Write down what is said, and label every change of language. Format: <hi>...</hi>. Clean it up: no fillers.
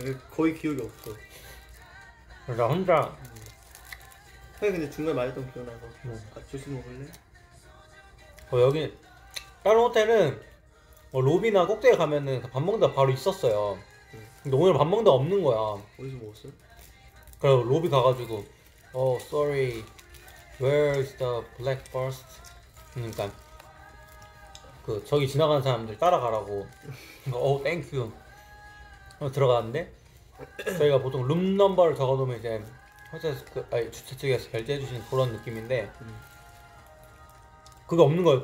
<ko>거의 기억이 없어. 나 혼자. 형이 근데 중간에 말했던 기억 나서. 아, 주스 먹을래? 여기 다른 호텔은 로비나 꼭대기 가면은 밥 먹는 데 바로 있었어요. 근데 오늘 밥 먹는 데 없는 거야. 어디서 먹었어요? 그래서 로비 가가지고</ko> <en>oh sorry, where is the black forest?</en> <ko>그러니까 그 저기 지나가는 사람들 따라가라고. 어, 땡큐. 들어가는데 저희가 보통 룸 넘버를 적어놓으면 이제 호텔에서 그, 아니 주최 측에서 결제해주시는 그런 느낌인데 그게 없는 거예요.</ko>